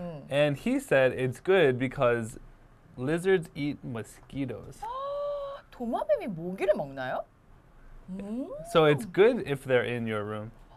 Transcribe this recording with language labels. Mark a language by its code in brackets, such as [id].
[en] And he said it's good because lizards eat mosquitoes. [ko] 도마뱀이 모기를 먹나요? [en] So it's good if they're in your room.